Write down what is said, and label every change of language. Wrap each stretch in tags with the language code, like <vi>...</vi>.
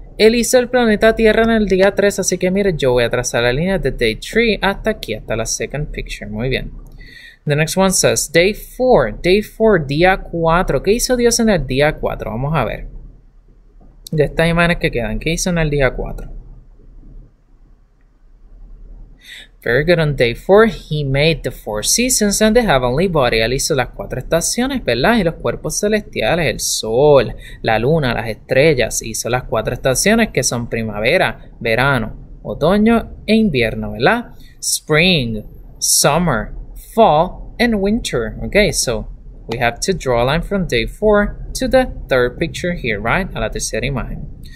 <es>Él hizo el planeta Tierra en el día 3, así que mire, yo voy a trazar la línea de Day 3 hasta aquí, hasta la</es> <en>second picture.</en> <es>Muy bien.</es> <en>The next one says, Day 4, Day 4, día 4.</en> <es>¿Qué hizo Dios en el día 4? Vamos a ver. De estas imágenes que quedan, ¿qué hizo en el día 4?</es> <en>Very good. On day four, he made the four seasons and the heavenly body.</en> <es>Él hizo las cuatro estaciones, ¿verdad? Y los cuerpos celestiales, el sol, la luna, las estrellas. Hizo las cuatro estaciones que son primavera, verano, otoño e invierno, ¿verdad?</es> <en>Spring, summer, fall and winter. Okay, so we have to draw a line from day four to the third picture here, right?</en> <es>A la tercera imagen.</es>